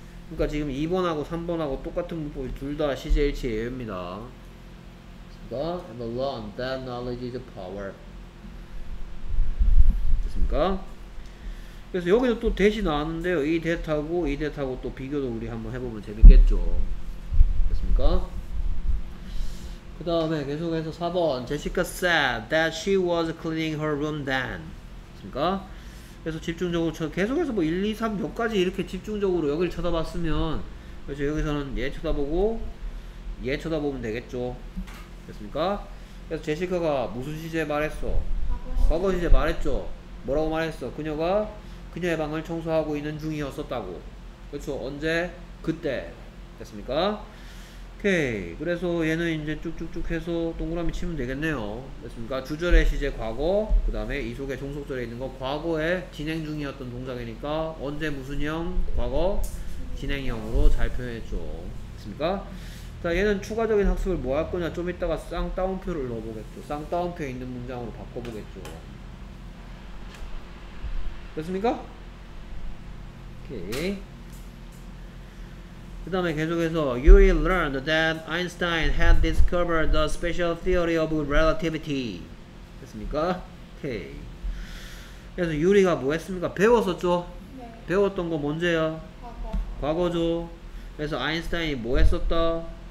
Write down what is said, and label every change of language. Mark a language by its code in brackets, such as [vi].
[ko] 그러니까 지금 2번하고 3번하고 똑같은 문법이 둘 다 시제 일치의 예외입니다. [en] Eva learned that knowledge is power. [ko] 됐습니까? 그래서 여기서 또 대시 나왔는데요. 이 대타고 이 대타고 또 비교도 우리 한번 해보면 재밌겠죠. 됐습니까? 그 다음에 계속해서 4번 [en] Jessica said that she was cleaning her room then. [ko] 않습니까? 그래서 집중적으로 저 계속해서 뭐 1, 2, 3, 몇까지 이렇게 집중적으로 여기를 쳐다봤으면, 그래서 여기서는 얘 쳐다보고 얘 쳐다보면 되겠죠. 됐습니까? 그래서 제시카가 무슨 시제 말했어? 과거 시제 말했죠. 뭐라고 말했어? 그녀가 그녀의 방을 청소하고 있는 중이었었다고. 그렇죠? 언제? 그때. 됐습니까? 오케이. 그래서 얘는 이제 쭉쭉쭉 해서 동그라미 치면 되겠네요. 됐습니까? 주절의 시제 과거, 그 다음에 이 속에 종속절에 있는 거 과거에 진행 중이었던 동작이니까 언제 무슨형? 과거 진행형으로 잘 표현했죠. 됐습니까? 자, 얘는 추가적인 학습을 뭐 할 거냐? 좀 이따가 쌍따옴표를 넣어보겠죠. 쌍따옴표에 있는 문장으로 바꿔보겠죠. 됐습니까? 오케이. 그 다음에 계속해서 [en] You will learn that Einstein had discovered the special theory of relativity. [ko] 됐습니까? 오케이. 그래서 유리가 뭐 했습니까? 배웠었죠? 네. 배웠던 거 뭔지요? 과거. 과거죠. 그래서 아인슈타인이 뭐 했었다?